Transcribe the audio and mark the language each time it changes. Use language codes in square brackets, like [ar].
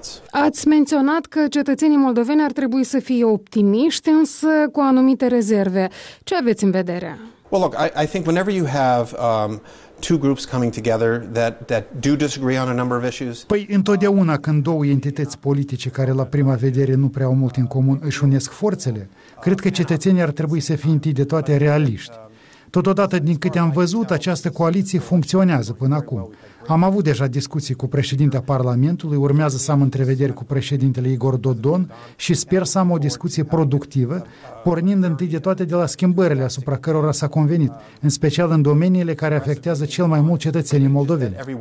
[ro] Ați menționat că cetățenii moldoveni ar trebui să fie optimiști, însă cu anumite rezerve. Ce aveți în vedere? [en] Well, look, I think whenever you have two groups coming together that do disagree on a number of issues. [ro] Păi, întotdeauna când două entități politice care la prima vedere nu prea au mult în comun își unesc forțele, cred că cetățenii ar trebui să fie întâi de toate realiști. Totodată, din câte am văzut, această coaliție funcționează până acum. Am avut deja discuții cu președintele Parlamentului, urmează să am întrevederi cu președintele Igor Dodon și sper să am o discuție productivă, pornind întâi de toate de la schimbările asupra cărora s-a convenit, în special în domeniile care afectează cel mai mult cetățenii moldoveni.